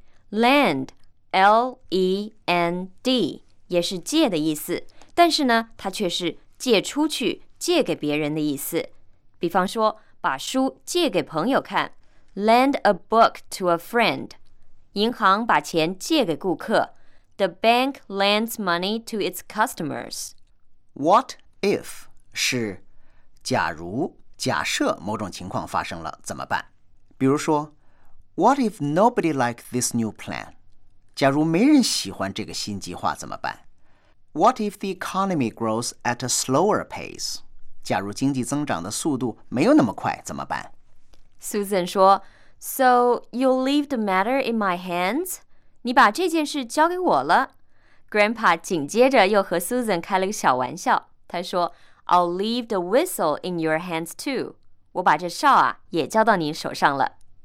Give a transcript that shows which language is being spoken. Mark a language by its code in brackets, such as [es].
[zh] lend L-E-N-D 也是借的意思，但是呢它却是借出去借给别人的意思，比方说把书借给朋友看， [en] lend a book to a friend， [zh] 银行把钱借给顾客， [en] the bank lends money to its customers。 [zh] What if 是假如假设某种情况发生了怎么办？比如说 [en] What if nobody liked this new plan? [zh] 假如没人喜欢这个新计划怎么办？ [en] What if the economy grows at a slower pace? [zh] 假如经济增长的速度没有那么快怎么办？ [en] Susan 说 So you'll leave the matter in my hands? [zh] 你把这件事交给我了？ Grandpa 紧接着又和 Susan 开了个小玩笑，他说 [en] I'll leave the whistle in your hands too， [zh] 我把这哨啊也交到你手上了。